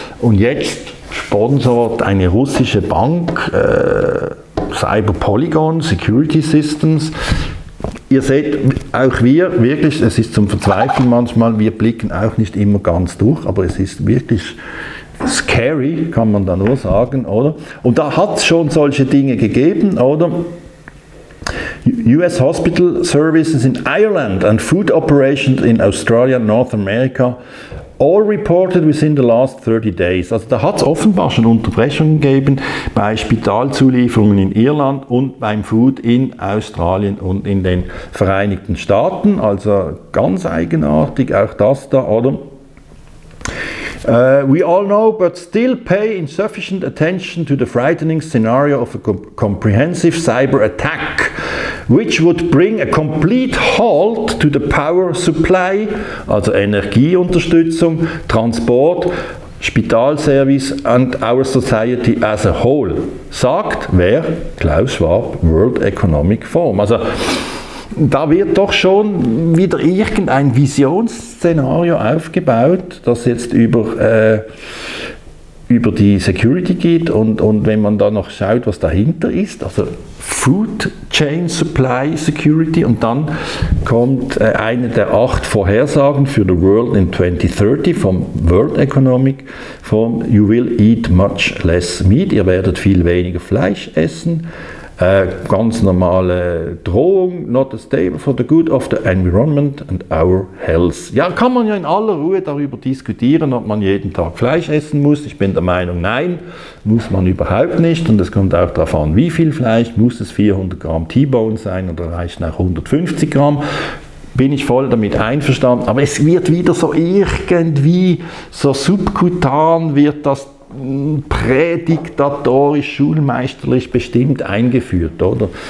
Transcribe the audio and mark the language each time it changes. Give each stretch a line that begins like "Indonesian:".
German: Und jetzt sponsert eine russische Bank Cyber Polygon Security Systems. ihr seht, auch wir wirklich, es ist zum Verzweifeln manchmal, wir blicken auch nicht immer ganz durch, aber es ist wirklich scary, kann man da nur sagen, oder? Und da hat es schon solche Dinge gegeben, oder?
English: US Hospital Services in Ireland and Food Operations in Australia and North America all reported within the last 30 days.
German: Also da hat es offenbar schon Unterbrechungen gegeben bei Spitalzulieferungen in Irland und beim Food in Australien und in den Vereinigten Staaten. Also ganz eigenartig auch das da, oder?
English: We all know, but still pay insufficient attention to the frightening scenario of a comprehensive cyber attack, which would bring a complete halt to the power supply,
German: also Energieunterstützung,
English: Transport, Spitalservice and our society as a whole,
German: sagt wer? Klaus Schwab, World Economic Forum. Also da wird doch schon wieder irgendein Visionsszenario aufgebaut, das jetzt über die Security geht und wenn man da noch schaut, was dahinter ist, also Food Chain Supply Security und dann kommt eine der 8 Vorhersagen für
English: the world in 2030
German: vom World Economic Forum,
English: you will eat much less meat,
German: ihr werdet viel weniger Fleisch essen. Ganz normale Drohung,
English: not a stable for the good of the environment and our health.
German: Ja, kann man ja in aller Ruhe darüber diskutieren, ob man jeden Tag Fleisch essen muss. Ich bin der Meinung, nein, muss man überhaupt nicht. Und es kommt auch darauf an, wie viel Fleisch. Muss es 400 Gramm T-Bone sein oder reichen auch 150 Gramm? Bin ich voll damit einverstanden. Aber es wird wieder so irgendwie, so subkutan wird das prädiktatorisch, schulmeisterlich bestimmt eingeführt, oder?